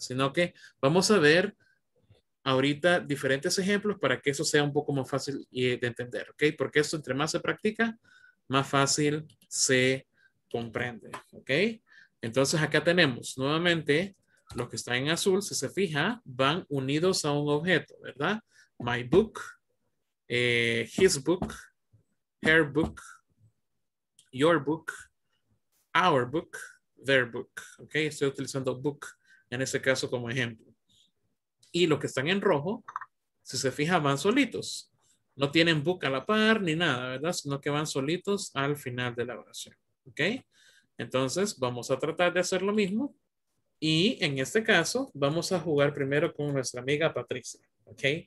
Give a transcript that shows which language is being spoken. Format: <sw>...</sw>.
<es>Sino que vamos a ver ahorita diferentes ejemplos para que eso sea un poco más fácil de entender, ¿ok? Porque esto entre más se practica, más fácil se comprende, ¿ok? Entonces acá tenemos nuevamente los que están en azul, si se fija, van unidos a un objeto, ¿verdad?</es> <en>My book, his book, her book, your book, our book, their book, ¿ok?</en> <es>Estoy utilizando book en ese caso como ejemplo. Y los que están en rojo, si se fija, van solitos. No tienen book a la par ni nada, ¿verdad? Sino que van solitos al final de la oración. ¿Ok? Entonces, vamos a tratar de hacer lo mismo. Y en este caso, vamos a jugar primero con nuestra amiga Patricia. ¿Ok?</es>